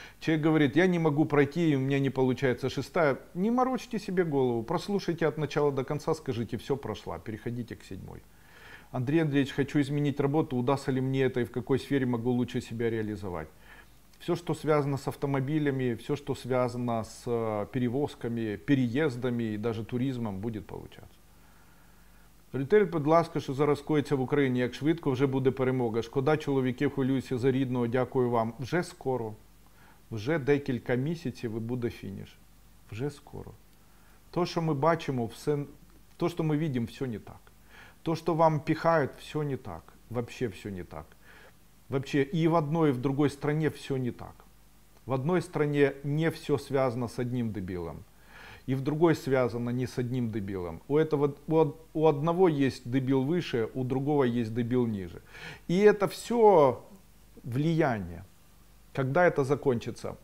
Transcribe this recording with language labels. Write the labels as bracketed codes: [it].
[ru] Человек говорит, я не могу пройти, и у меня не получается 6-я, не морочьте себе голову, прослушайте от начала до конца, скажите, все прошло, переходите к 7-й. Андрей Андреевич, хочу изменить работу, удастся ли мне это и в какой сфере могу лучше себя реализовать? Все, что связано с автомобилями, все, что связано с перевозками, переездами и даже туризмом, будет получаться. [uk] Ретель, будь ласка, що зараз коїться в Україні, як швидко вже буде перемога. Шкода, чоловіки, хвилююся за рідного, дякую вам. Вже скоро, вже декілька місяців і буде фініш. Вже скоро. То, що ми бачимо, все, то, що ми бачимо, все не так. То, що вам піхають, все не так. [ru] Вообще все не так. Вообще и в одной, и в другой стране все не так. В одной стране не все связано с одним дебилом. И в другой связано не с одним дебилом. У этого, у одного есть дебил выше, у другого есть дебил ниже. И это все влияние. Когда это закончится?